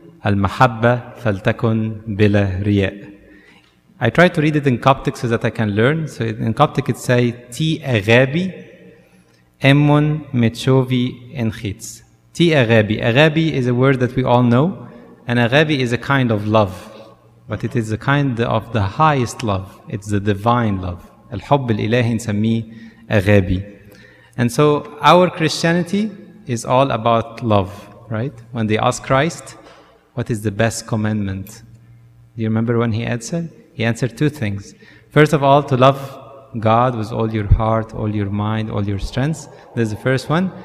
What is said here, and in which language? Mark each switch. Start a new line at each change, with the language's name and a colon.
Arabic: Al-mahabba faltakun bila riya'.
English: I try to read it in Coptic so that I can learn. So in Coptic it says,
Coptic: Ti aghabi emun mechovi enchitz. Ti aghabi.
English: Aghabi is a word that we all know. And aghabi is a kind of love. But it is a kind of the highest love. It's the divine love.
Arabic: الحب الإلهي نسميه أغابي.
English: And so our Christianity is all about love, right? When they ask Christ, what is the best commandment? Do you remember when he answered? He answered two things. First of all, to love God with all your heart, all your mind, all your strength. That's the first one.